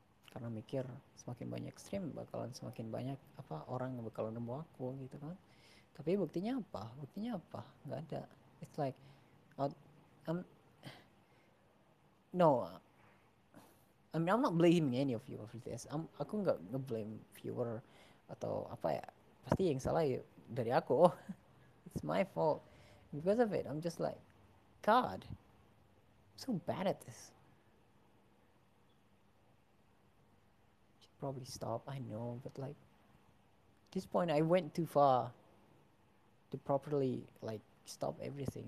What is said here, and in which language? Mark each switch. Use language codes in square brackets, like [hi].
[id] Karena mikir semakin banyak stream bakalan semakin banyak apa orang yang bakal nemu aku gitu kan. Tapi buktinya apa? Buktinya apa? Gak ada. [en] It's like no. I mean, I'm not blaming any of you for this. [id] Aku nggak nge-blame viewer atau apa ya. Pasti yang salah ya dari aku. [en] It's my fault. Because of it, I'm just like, God, I'm so bad at this. Should probably stop, I know, but like, at this point, I went too far to properly, like, stop everything.